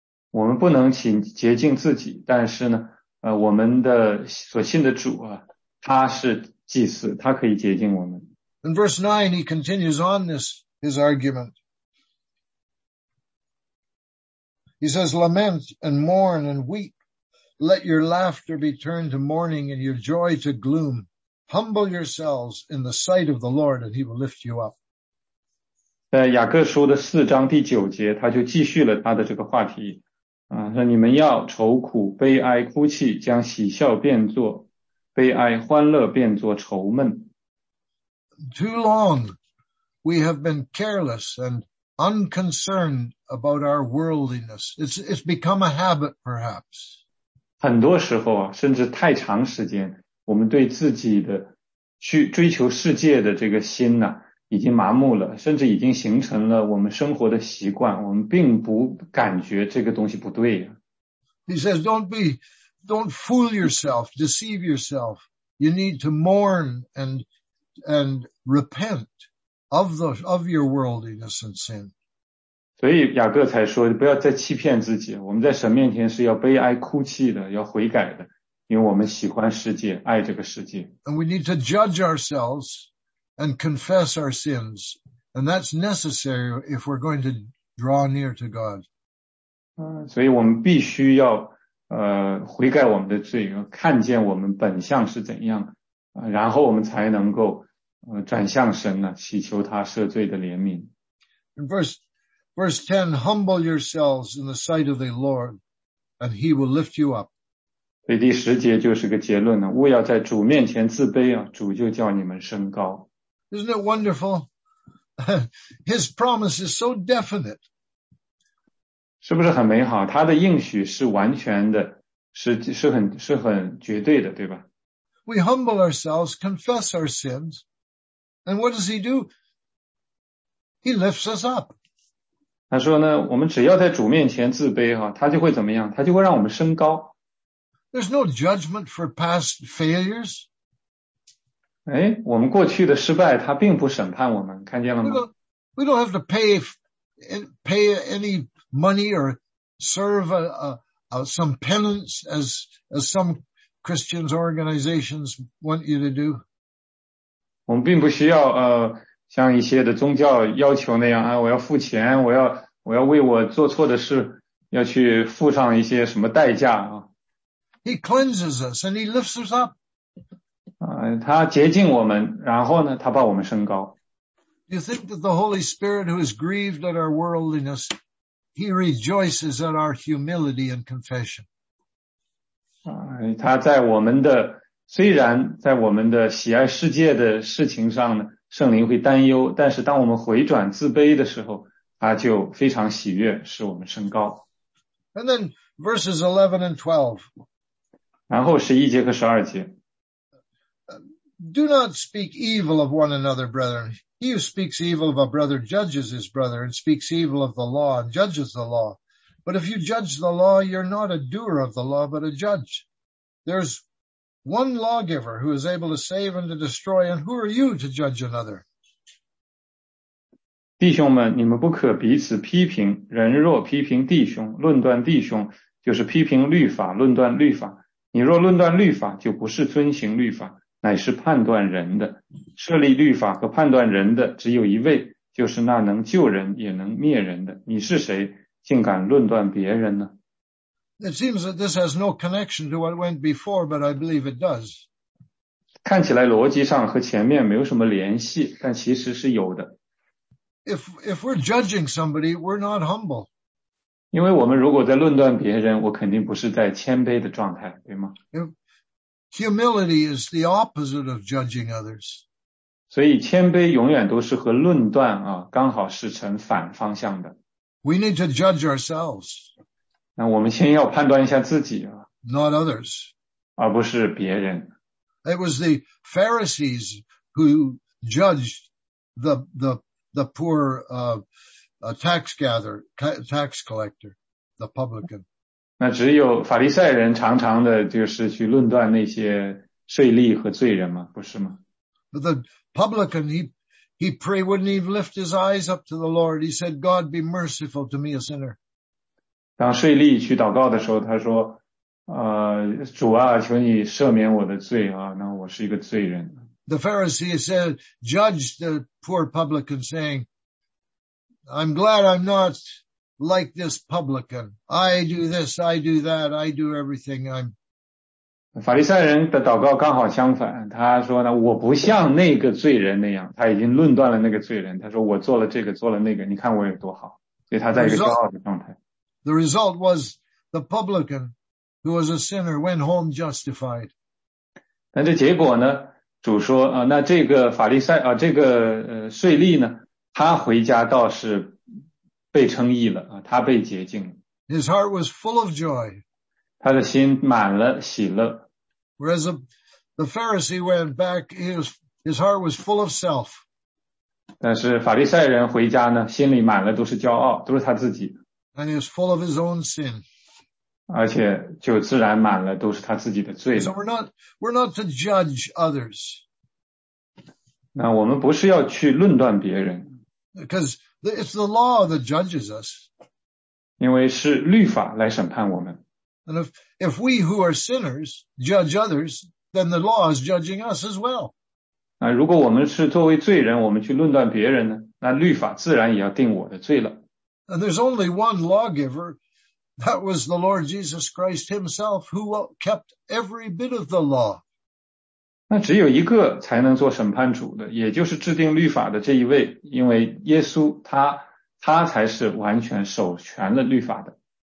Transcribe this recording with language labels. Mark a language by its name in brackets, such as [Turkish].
[Chinese] 我们不能洁净自己，但是呢，我们的所信的主啊，他是祭司，他可以洁净我们。 [English] In verse 9, he continues on this, his argument. He says, lament and mourn and weep. Let your laughter be turned to mourning and your joy to gloom. Humble yourselves in the sight of the Lord and he will lift you up. [Chinese] 在雅各书的四章第九节，他就继续了他的这个话题。说你们要愁苦悲哀哭泣，将喜笑变作悲哀，欢乐变作愁闷。 [English] Too long we have been careless and unconcerned about our worldliness. It's become a habit, perhaps. [Chinese] 很多时候啊，甚至太长时间，我们对自己的去追求世界的这个心呢、啊，已经麻木了，甚至已经形成了我们生活的习惯，我们并不感觉这个东西不对呀、啊。 [English] He says, don't fool yourself, deceive yourself. You need to mourn and repent of your worldliness and sin. [Chinese] 所以雅各才说，不要再欺骗自己，我们在神面前是要悲哀哭泣的，要悔改的，因为我们喜欢世界，爱这个世界。 [English] And we need to judge ourselves and confess our sins. And that's necessary if we're going to draw near to God. [Chinese] 所以我们必须要悔改我们的罪，看见我们本相是怎样，然后我们才能够转向神呢，祈求他赦罪的怜悯。 [English] In verse 10, humble yourselves in the sight of the Lord, and he will lift you up. [Chinese] 所以第十节就是个结论呢，勿要在主面前自卑啊，主就叫你们升高。 [English] Isn't it wonderful? His promise is so definite. [Chinese] 是不是很美好？他的应许是完全的，是很绝对的，对吧？ [English] We humble ourselves, confess our sins, and what does he do? He lifts us up. [Chinese] 他说呢，我们只要在主面前自卑哈，他就会怎么样？他就会让我们升高。 [English] There's no judgment for past failures. [Chinese] 哎，我们过去的失败，他并不审判我们，看见了吗？ [English] We don't have to pay any money or serve some penance as some Christians organizations want you to do. [Chinese] 我们并不需要像一些的宗教要求那样啊，我要付钱，我要为我做错的事要去付上一些什么代价啊。 [English] He cleanses us and he lifts us up. [Chinese] 他洁净我们，然后呢，他把我们升高。 [English] Do you think that the Holy Spirit who is grieved at our worldliness, he rejoices at our humility and confession? [Chinese] 他在我们的，虽然在我们的喜爱世界的事情上呢，圣灵会担忧，但是当我们回转自卑的时候，他就非常喜悦，使我们升高。 [English] And then verses 11 and 12. [Chinese] 然后十一节和十二节。 [English] Do not speak evil of one another, brethren. He who speaks evil of a brother judges his brother and speaks evil of the law and judges the law. But if you judge the law, you're not a doer of the law, but a judge. There's one lawgiver who is able to save and to destroy, and who are you to judge another? [Chinese] 弟兄们，你们不可彼此批评。人若批评弟兄，论断弟兄，就是批评律法，论断律法。你若论断律法，就不是遵行律法，乃是判断人的。设立律法和判断人的只有一位，就是那能救人也能灭人的。你是谁，竟敢论断别人呢？ [English] It seems that this has no connection to what went before, but I believe it does. [Chinese] 看起来逻辑上和前面没有什么联系，但其实是有的。 [English] If we're judging somebody, we're not humble. [Chinese] 因为我们如果在论断别人，我肯定不是在谦卑的状态，对吗？ [English] Humility is the opposite of judging others. [Chinese] 所以谦卑永远都是和论断啊，刚好是成反方向的。 [English] We need to judge ourselves. [Chinese] 那我们先要判断一下自己啊。 [English] Not others. [Chinese] 而不是别人。 [English] It was the Pharisees who judged the poor, tax collector, the publican. [Chinese] 那只有法利赛人常常的就是去论断那些税吏和罪人吗？不是吗？ [English] But the publican, he prayed, wouldn't even lift his eyes up to the Lord. He said, God, be merciful to me, a sinner. [Chinese] 当税吏去祷告的时候，他说，主啊，求你赦免我的罪啊，那我是一个罪人。 [English] The Pharisee said, judged the poor publican saying, I'm glad I'm not like this publican. I do this, I do that, I do everything. [Chinese] 法利赛人的祷告刚好相反，他说呢，我不像那个罪人那样，他已经论断了那个罪人，他说我做了这个，做了那个，你看我有多好，所以他在一个骄傲的状态。 [English] The result was the publican, who was a sinner, went home justified. [Chinese] 但这结果呢，主说那这个法利赛这个税吏呢，他回家倒是被称义了他被洁净了。 [English] His heart was full of joy. [Chinese] 他的心满了喜乐。 [English] Whereas the Pharisee went back, his heart was full of self. [Chinese] 但是法利赛人回家呢，心里满了都是骄傲，都是他自己。 [English] And he was full of his own sin. [Chinese] 而且就自然满了都是他自己的罪。 [English] So we're not to judge others. [Chinese] 那我们不是要去论断别人。 [English] Because it's the law that judges us. [Chinese] 因为是律法来审判我们。 [English] And if we who are sinners judge others, then the law is judging us as well. [Chinese] 那如果我们是作为罪人，我们去论断别人呢？那律法自然也要定我的罪了。 [English] And there's only one lawgiver, that was the Lord Jesus Christ himself who kept every bit of the law. [Chinese] 那只有一个才能做审判主的，也就是制定律法的这一位，因为耶稣他才是完全守全了律法的。